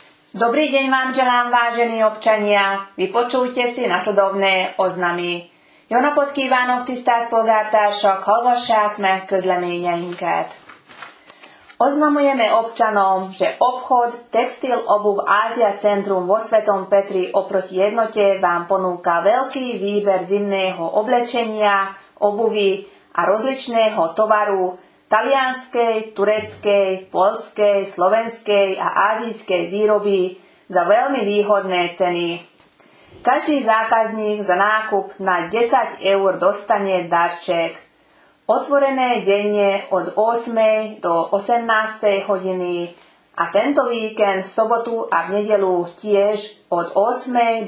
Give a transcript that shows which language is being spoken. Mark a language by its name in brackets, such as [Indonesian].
[Slovak] Dobrý deň vám želám, vážení občania. Vypočujte si nasledovné oznamy. [Hungarian] Jó napot kívánok, tisztelt polgártársak, hallgassák meg közleményeinket. [Slovak] Oznamujeme občanom, že obchod Textil Obuv Ázia Centrum vo Svetom Petri oproti jednote vám ponúka veľký výber zimného oblečenia, obuvy a rozličného tovaru talianskej, tureckej, poľskej, slovenskej a ázijskej výroby za veľmi výhodné ceny. Každý zákazník za nákup na 10 eur dostane darček. Otvorené denne od 8. do 18. hodiny a tento víkend v sobotu a v nedeľu tiež od 8.